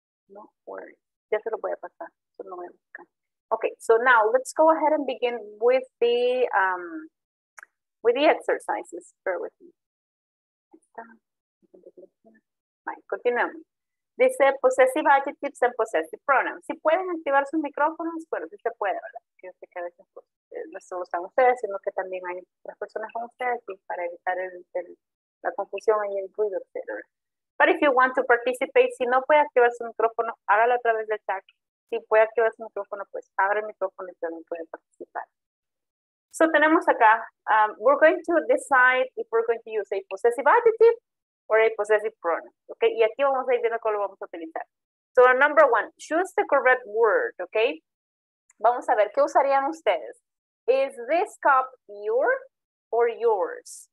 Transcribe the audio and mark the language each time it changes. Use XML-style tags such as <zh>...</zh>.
<en>No worry.</en> <es>Ya se los voy a pasar. Eso no voy a buscar.</es> <en>Okay, so now let's go ahead and begin with the exercises. Bear with me.</en> <es>Continuemos.</es> <en>Dice possessive adjectives and possessive pronouns.</en> <es>Si pueden activar sus micrófonos, bueno, sí se puede, ¿verdad? Porque yo sé que a veces no solo están ustedes, sino que también hay otras personas con ustedes y para evitar la confusión y el ruido, etc.</es> <en>But if you want to participate,</en> <es>si no puede activar su micrófono, hágalo a través del chat. Si puede activar su micrófono, pues abre el micrófono y también puede participar.</es> <en>So,</en> <es>tenemos acá,</es> <en>we're going to decide if we're going to use a possessive adjective or a possessive pronoun, okay?</en> <es>Y aquí vamos a ir viendo cómo lo vamos a utilizar.</es> <en>So, number one, choose the correct word,</en> <es>okay? Vamos a ver, ¿qué usarían ustedes?</es> <en>Is this cup your or yours?</en>